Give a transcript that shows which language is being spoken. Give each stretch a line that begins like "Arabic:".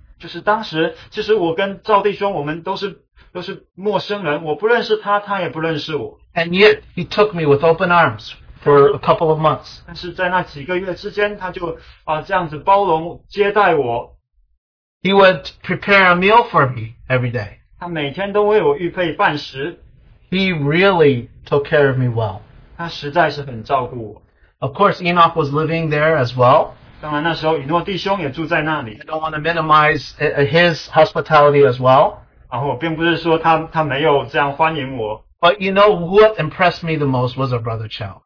Chinese: 就是当时，其实我跟赵弟兄，我们都是陌生人，我不认识他，他也不认识我。
English: And yet, he took me with open arms for a couple of months.
Chinese: 但是在那几个月之间，他就这样子包容接待我。
English: He would prepare a meal for me every day.
Chinese: 他每天都为我预备饭食。
English: He really took care of me well.
Chinese: 他实在是很照顾我。
English: Of course, Enoch was living there as well.
Chinese: 当然那时候以诺弟兄也住在那里。
English: I don't want to minimize his hospitality as well.
Chinese: 然后并不是说他没有这样欢迎我。
English: But you know what impressed me the most was our brother Chow.